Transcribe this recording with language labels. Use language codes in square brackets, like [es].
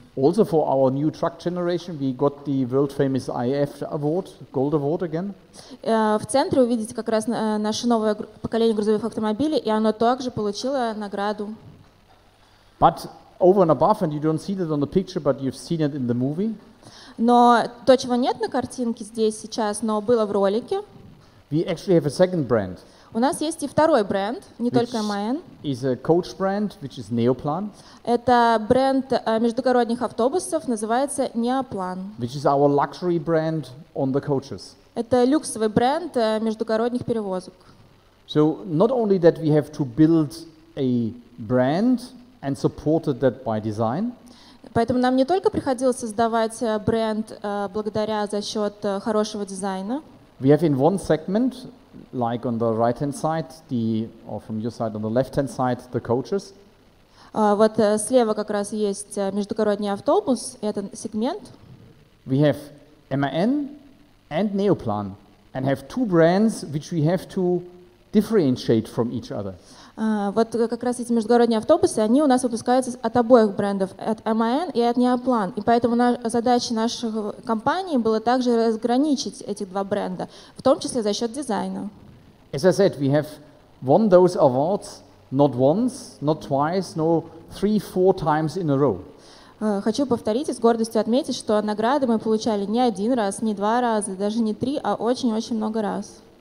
[en] Also for our new truck generation, we got the world famous IF award, gold award again. [ru] В центре увидите как раз наше новое поколение грузовых автомобилей, и оно также получило награду. [en] But over and above, and you don't see that on the picture, but you've seen it in the movie. [ru] Но то, чего нет на картинке здесь сейчас, но было в ролике. [en] We actually have a second brand. [ru] У нас есть и второй бренд, не только MAN. [en] Is a coach brand, which is Neoplan. [ru] Это бренд междугородних автобусов, называется Neoplan. [en] Which is our luxury brand on the coaches. [ru] Это люксовый бренд междугородних перевозок. [en] So not only that we have to build a brand and supported that by design. [ru] Поэтому нам не только приходилось создавать бренд благодаря за счет хорошего дизайна. [en] We have in one segment, like on the right-hand side, the or from your side on the left-hand side, the coaches. [ru] Вот слева как раз есть междугородний автобус, этот сегмент. [en] We have MAN and Neoplan, and have two brands which we have to differentiate from each other. [ru] Вот как раз эти междугородние автобусы, они у нас выпускаются от обоих брендов, от MAN и от Neoplan. И поэтому задача наших компаний была также разграничить эти два бренда, в том числе за счет дизайна. [en] As I said, we have won those awards not once, not twice, no, three, four times in a row. [ru] Хочу повторить и с гордостью отметить, что награды мы получали не один раз, не два раза, даже не три, а очень-очень много раз.